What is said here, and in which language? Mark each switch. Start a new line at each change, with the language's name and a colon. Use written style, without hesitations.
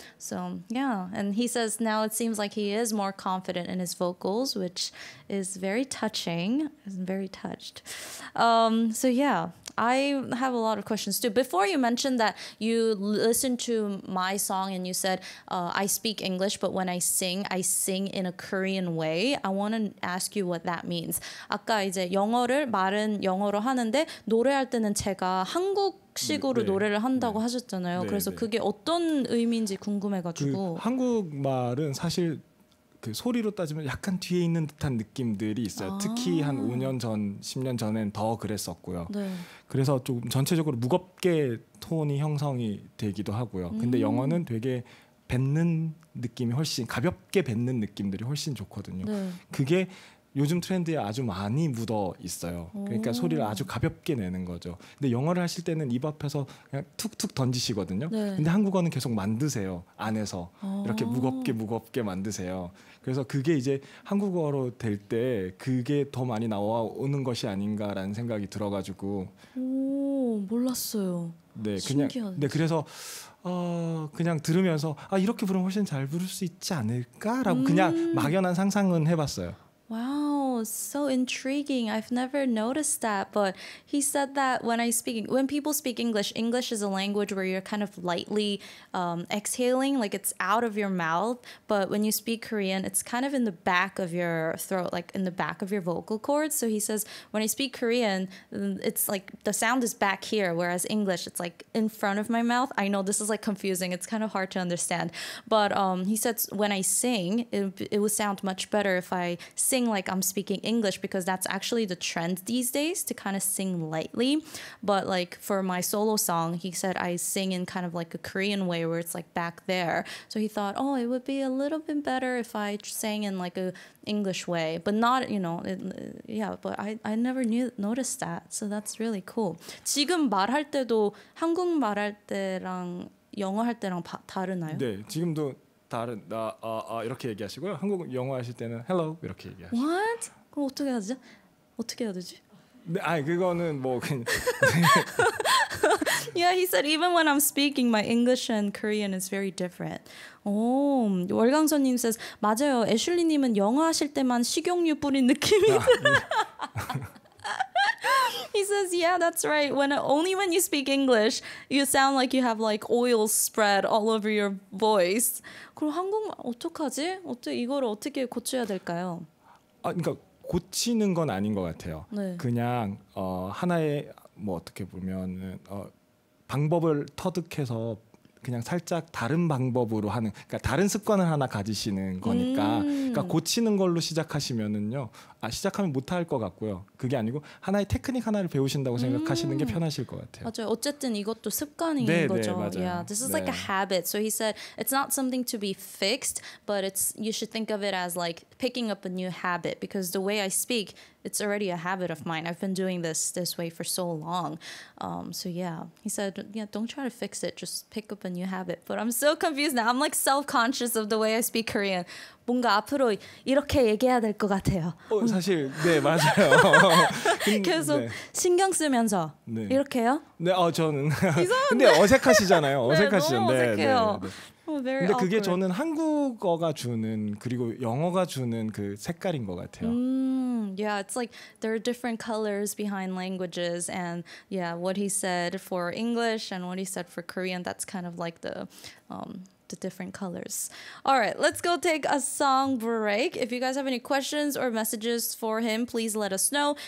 English: So yeah, and he says now it seems like he is more confident in his vocals, which is very touching. I'm very touched. So yeah, I have a lot of questions too. Before you mentioned that you listened to my song and you said, I speak English, but when I sing in a Korean way. I want to ask you what that means.
Korean: 아까 이제 영어를 말은 영어로 하는데 노래할 때는 제가 한국식으로 네. 노래를 한다고 네. 하셨잖아요. 네. 그래서 네. 그게 어떤 의미인지 궁금해가지고. 그 한국말은 사실 그 소리로 따지면 약간 뒤에 있는 듯한 느낌들이 있어요. 아~ 특히 한 5년 전, 10년 전엔 더 그랬었고요. 네. 그래서 좀 전체적으로 무겁게 톤이 형성이 되기도 하고요. 근데 영어는 되게 뱉는 느낌이 훨씬 가볍게 뱉는 느낌들이 훨씬 좋거든요. 네. 그게 요즘 트렌드에 아주 많이 묻어 있어요. 그러니까 소리를 아주 가볍게 내는 거죠. 근데 영어를 하실 때는 입 앞에서 그냥 툭툭 던지시거든요. 네. 근데 한국어는 계속 만드세요. 안에서 이렇게 무겁게 무겁게 만드세요. 그래서 그게 이제 한국어로 될 때 그게 더 많이 나오는 것이 아닌가라는 생각이 들어가지고. 오, 몰랐어요. 네, 그냥. 신기하네. 네, 그래서 그냥 들으면서 아 이렇게 부르면 훨씬 잘 부를 수 있지 않을까라고 그냥 막연한 상상은 해봤어요.
English: Wow, so intriguing. I've never noticed that, but he said that when people speak English, English is a language where you're kind of lightly exhaling, like it's out of your mouth. But when you speak Korean, it's kind of in the back of your throat, like in the back of your vocal cords. So he says, when I speak Korean, it's like the sound is back here, whereas English, it's like in front of my mouth. I know this is like confusing. It's kind of hard to understand. But he says, when I sing, it would sound much better if I sing like I'm speaking English because that's actually the trend these days to kind of sing lightly. But like for my solo song, he said I sing in kind of like a Korean way where it's like back there. So he thought, oh, it would be a little bit better if I sang in like a English way, but not, you know, but I never noticed that. So that's really cool.
Korean: 지금 말할 때도 한국 말할 때랑 영어 할 때랑 다르나요? 네, 지금도 다른 이렇게 얘기하시고요. 한국 영어 하실 때는 hello 이렇게 얘기하시고.
English: What?
Korean: 그럼 어떻게 하죠? 어떻게 해야 되지? 네, 아니 그거는 뭐 그냥.
English: Yeah, he said even when I'm speaking, my English and Korean is very different.
Korean: 오, 월강선님
English: says
Korean: 맞아요. 애슐리님은 영어 하실 때만 식용유 뿌린 느낌이.
English: He says, yeah, that's right. Only when you speak English, you sound like you have like oil spread all over your voice.
Korean: 그럼 한국말 어떡하지? 이거를 어떻게 고쳐야 될까요? 그러니까 고치는 건 아닌 것 같아요. 네. 그냥 하나의 뭐 어떻게 보면 방법을 터득해서 그냥 살짝 다른 방법으로 하는 그러니까 다른 습관을 하나 가지시는 거니까 그러니까 고치는 걸로 시작하시면은요 시작하면 못할 것 같고요 그게 아니고 하나의 테크닉 하나를 배우신다고 생각하시는 게 편하실 것 같아요. 맞아요. 어쨌든 이것도 습관인 네, 거죠. 네, 맞아요.
English: Yeah, this is
Korean: 네.
English: like a habit. So he said it's not something to be fixed, but it's you should think of it as like picking up a new habit because the way I speak. it's already a habit of mine. I've been doing this way for so long. So yeah, he said, yeah, don't try to fix it. Just pick up a new habit. But I'm so confused now. I'm like self-conscious of the way I speak Korean.
Korean: 뭔가 앞으로 이렇게 얘기해야 될 것 같아요. 사실 네 맞아요. 계속 네. 신경 쓰면서 네. 이렇게요? 네, 저는. 근데 어색하시잖아요. 어색하시는데. 네, 너무 어색해요. 네, 네. Oh, 근데 그게
English: awkward.
Korean: 저는 한국어가 주는 그리고 영어가 주는 그 색깔인 것 같아요.
English: Yeah, it's like there are different colors behind languages, and yeah, what he said for English and what he said for Korean, that's kind of like the different colors. All right, let's go take a song break. If you guys have any questions or messages for him, please let us know.